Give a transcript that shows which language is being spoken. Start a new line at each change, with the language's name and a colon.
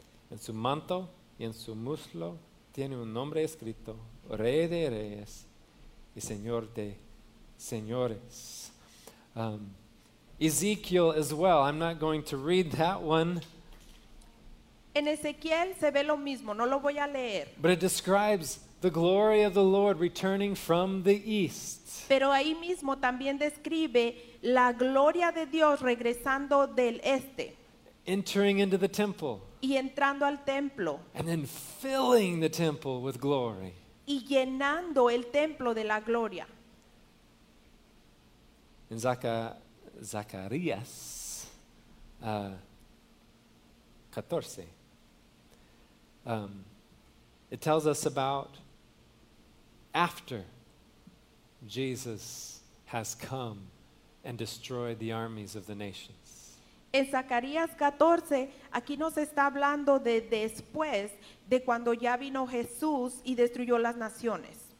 Spanish: En su manto y en su muslo tiene un nombre escrito: Rey de Reyes y Señor de Señores.
English: Ezekiel as well. I'm not going to read that one.
Spanish: En Ezequiel se ve lo mismo, no lo voy a leer.
English: But it describes the glory of the Lord returning from the east.
Spanish: Pero ahí mismo también describe la gloria de Dios regresando del este.
English: Entering into the temple.
Spanish: Y entrando al templo.
English: And then filling the temple with glory.
Spanish: Y llenando el templo de la gloria. En Zacarías 14.
English: It tells us about after Jesus has come and destroyed the armies of the nations.
Spanish: En Zacarías 14, aquí nos está hablando de después de cuando ya vino Jesús y destruyó las naciones.